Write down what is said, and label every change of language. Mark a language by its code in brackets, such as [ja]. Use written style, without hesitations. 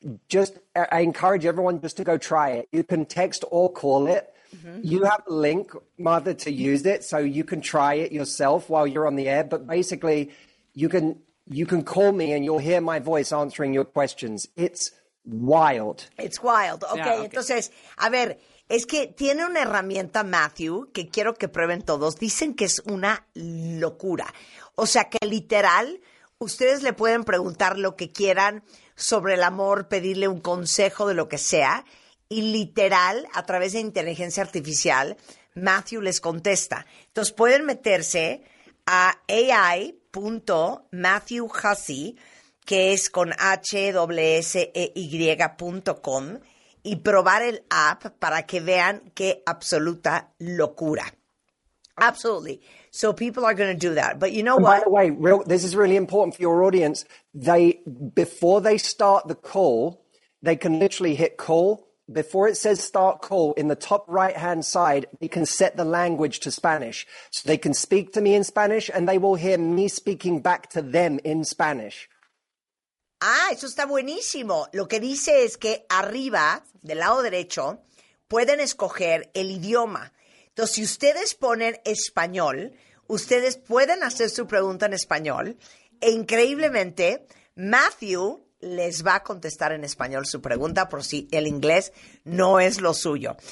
[en] Just I encourage everyone just to go try it. You can text or call it. Mm-hmm. You have a link, Martha, to use it. So you can try it yourself while you're on the air. But basically, you can call me and you'll hear my voice answering your questions. It's wild. It's wild. Okay. Yeah, okay. [es] Entonces, a ver. Es que tiene una herramienta, Matthew, que quiero que prueben todos. Dicen que es una locura. O sea, que literal, ustedes le pueden preguntar lo que quieran sobre el amor, pedirle un consejo de lo que sea, y literal, a través de inteligencia artificial, Matthew les contesta. Entonces, pueden meterse a ai.matthewhussey, que es con hsey.com, y probar el app para que vean qué absoluta locura. [en] Absolutely. So people are going to do that. But you know what? By the way, this is really important for your audience. Before they start the call, they can literally hit call. Before it says start call, in the top right-hand side, they can set the language to Spanish. So they can speak to me in Spanish, and they will hear me speaking back to them in Spanish. [es] Ah, eso está buenísimo. Lo que dice es que arriba, del lado derecho, pueden escoger el idioma. Entonces, si ustedes ponen español, ustedes pueden hacer su pregunta en español e increíblemente Matthew les va a contestar en español su pregunta por si el inglés no es lo suyo.